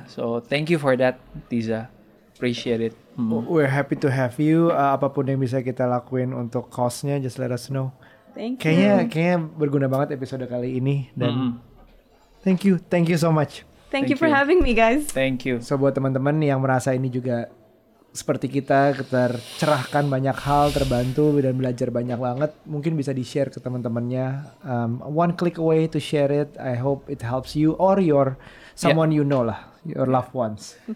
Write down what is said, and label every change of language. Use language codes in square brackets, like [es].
[en] So thank you for that, Tiza. Appreciate it. We're happy to have you. [id] Apapun yang bisa kita lakuin untuk cost-nya, [en] just let us know. Thank you. [id] Kayaknya berguna banget episode kali ini. Dan [en] thank you so much. Thank you for having me, guys. Thank you. [id] So buat teman-teman yang merasa ini juga seperti kita, tercerahkan banyak hal, terbantu dan belajar banyak banget, mungkin bisa di-share ke teman-temannya. [en] One click away to share it. I hope it helps you or your someone you know lah, your loved ones.